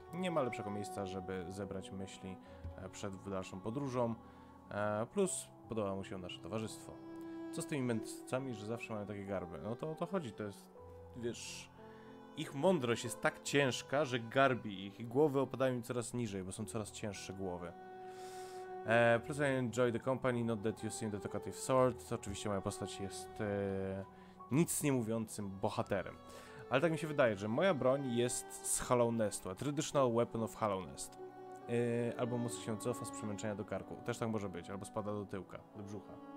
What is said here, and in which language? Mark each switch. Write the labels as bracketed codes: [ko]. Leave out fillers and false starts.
[pl] Nie ma lepszego miejsca, żeby zebrać myśli przed dalszą podróżą. Plus podoba mu się nasze towarzystwo. Co z tymi mędrcami, że zawsze mają takie garby? No to o to chodzi, to jest, wiesz, ich mądrość jest tak ciężka, że garbi ich i głowy opadają im coraz niżej, bo są coraz cięższe głowy. [en] Plus I enjoy the company, not that you seem the talkative sort. [pl] To oczywiście moja postać jest nic nie mówiącym bohaterem. Ale tak mi się wydaje, że moja broń jest z Hollownestu, [en] a traditional weapon of Hollownest. [pl] Albo móc się cofa z przemęczenia do karku. Też tak może być. Albo spada do tyłka, do brzucha.